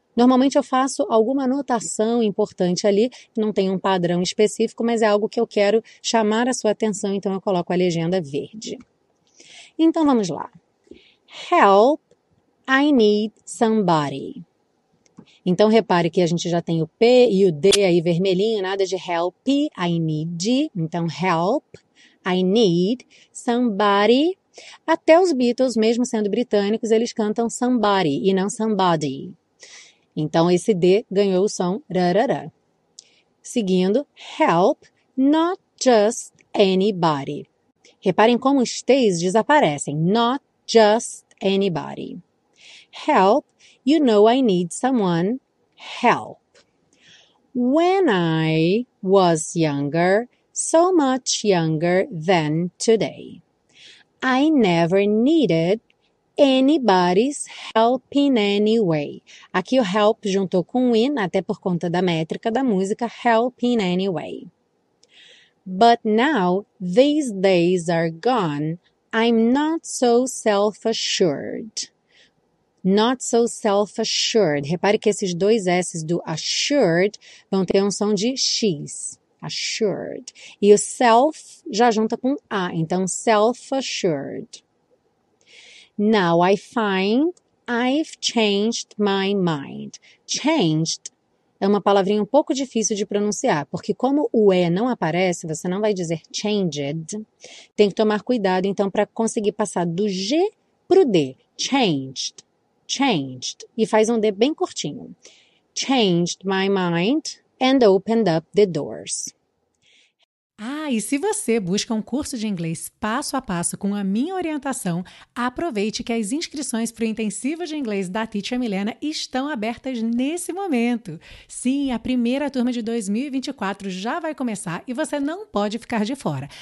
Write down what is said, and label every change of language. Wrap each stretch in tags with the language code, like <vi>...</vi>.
<pt>Normalmente eu faço alguma anotação importante ali, não tem um padrão específico, mas é algo que eu quero chamar a sua atenção, então eu coloco a legenda verde. Então vamos lá.</pt> <en>Help, I need somebody.</en> <pt>Então repare que a gente já tem o P e o D aí vermelhinho, nada de</pt> <en>help, I need.</en> <pt>Então</pt> <en>help, I need somebody.</en> <pt>Até os Beatles, mesmo sendo britânicos, eles cantam somebody e não somebody. Então, esse D ganhou o som rarara. Seguindo,</pt> <en>help, not just anybody.</en> <pt>Reparem como os T's desaparecem.</pt> <en>Not just anybody. Help, you know I need someone. Help. When I was younger, so much younger than today, I never needed anybody's help in any way.</en> <pt>Aqui o help juntou com in, até por conta da métrica da música,</pt> <en>help in any way. But now, these days are gone, I'm not so self-assured. Not so self-assured.</en> <pt>Repare que esses dois S's do assured vão ter um som de X. Assured. E o self já junta com A, então self-assured.</pt> <en>Now I find I've changed my mind.</en> <pt>Changed é uma palavrinha um pouco difícil de pronunciar, porque como o E não aparece, você não vai dizer changed. Tem que tomar cuidado, então, para conseguir passar do G para o D. Changed. Changed. E faz um D bem curtinho.</pt> <en>Changed my mind and opened up the doors.</en> <pt>Ah, e se você busca um curso de inglês passo a passo com a minha orientação, aproveite que as inscrições para o Intensivo de Inglês da Teacher Milena estão abertas nesse momento. Sim, a primeira turma de 2024 já vai começar e você não pode ficar de fora.</pt>